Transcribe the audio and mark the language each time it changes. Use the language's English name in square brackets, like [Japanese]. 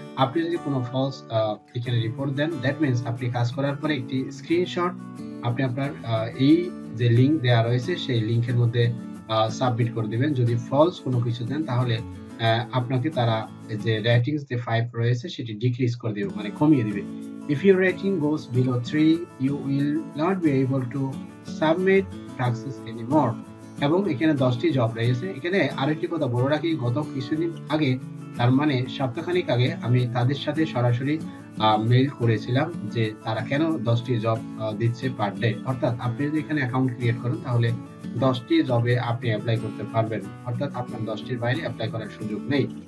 [Bangla] আপনি যদি কোনো ফলস এখানে রিপোর্ট দেন, দ্যাট মিন্স আপনি কাজ করার পরে একটি স্ক্রিনশট আপনি আপনার এই যে লিঙ্ক দেওয়া রয়েছে সেই লিঙ্কের মধ্যে সাবমিট করে দেবেন। যদি ফলস কোনো কিছু দেন তাহলে আপনাকে তারা যে রেটিং যে 5 রয়েছে সেটি ডিক্রিজ করে দেবে, মানে কমিয়ে দেবে। [English] If your rating goes below 3, you will not be able to submit taxes anymore. [Bangla] এবং এখানে 10টি জব রয়েছে। এখানে আরেকটি কথা বলে রাখি, গত কিছুদিন আগে, তার মানে সপ্তাহখানিক আগে, আমি তাদের সাথে সরাসরি মেইল করেছিলাম যে তারা কেন 10টি জব দিচ্ছে পার ডে। অর্থাৎ আপনি যদি এখানে অ্যাকাউন্ট ক্রিয়েট করেন তাহলে 10টি জবে আপনি অ্যাপ্লাই করতে পারবেন, অর্থাৎ আপনার 10টির বাইরে অ্যাপ্লাই করার সুযোগ নেই।